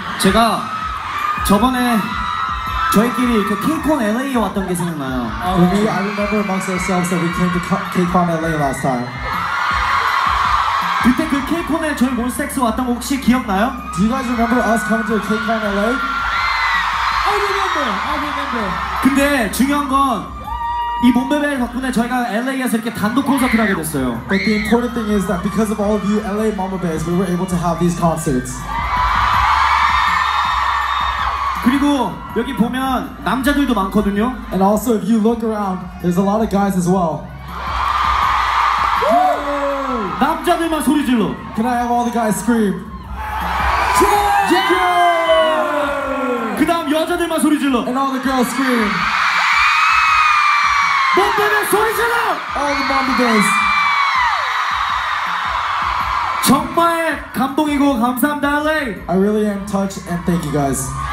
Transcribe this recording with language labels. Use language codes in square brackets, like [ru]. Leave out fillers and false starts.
[ko] 제가 저번에 저희끼리 그 KCON LA에 왔던 게 생각나요. [en] I remember amongst ourselves that we came to KCON LA last time. [ko] 그때 그 KCON에 저희 몬스타엑스 왔던 거 혹시 기억나요? [en] Do you guys remember us coming to KCON LA? I remember. [ko] 근데 중요한 건 이 몬베베 덕분에 저희가 LA에서 이렇게 단독 콘서트를 하게 됐어요. [en] But the important thing is that because of all of you LA Mama Bears, we were able to have these concerts. [ko] 그리고 여기 보면 남자들도 많거든요. [en] And also if you look around, there's a lot of guys as well. [ko] 남자들만 소리 질러. [en] Can I have all the guys scream? Yeah! Yeah! [ko] 그다음 여자들만 소리 질러. [en] And all the girls scream. [ko] 몬베베 소리 질러! [en] All the Mama Bears. [ko] 정말 감동이고 감사합니다, LA. [en] I really am touched and thank you guys.